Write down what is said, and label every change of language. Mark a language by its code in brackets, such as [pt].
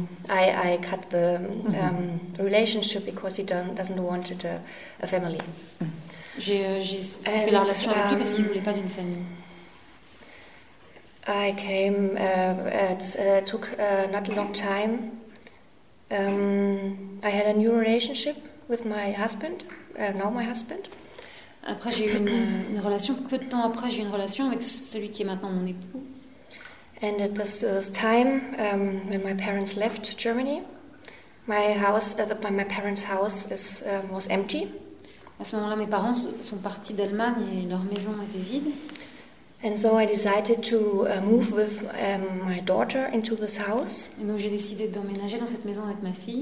[en] I cut the relationship because he doesn't want a family. [fr] J'ai coupé la relation avec lui parce qu'il ne voulait pas d'une famille. [en] I came it took not a long time. I had a new relationship with my husband, now my husband. [fr] Après j'ai eu une relation, peu de temps après j'ai eu une relation avec celui qui est maintenant mon époux. [en] And at this time when my parents left Germany, my house my parents' house was empty. [fr] À ce moment-là mes parents sont partis d'Allemagne et leur maison était vide. [en] And so I decided to move with my daughter into this house. [fr] Et donc j'ai décidé d'emménager dans cette maison avec ma fille.